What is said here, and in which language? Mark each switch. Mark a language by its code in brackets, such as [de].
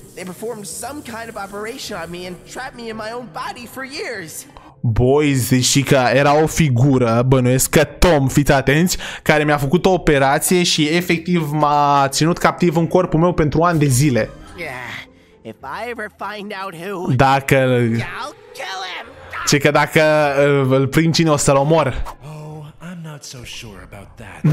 [en] They performed some kind of operation on me and trapped me in my own body for years. [ro] Boys, zici că era o figură, bănuiesc că Tom, fiți atenți, care mi-a făcut o operație și efectiv m-a ținut captiv în corpul meu pentru ani de zile. [en] Yeah, if I ever find out who, [ro] dacă... [en] I'll kill him! [ro] Zici că dacă îl prind cine o să-l omor. [en] Oh, I'm not so sure about that.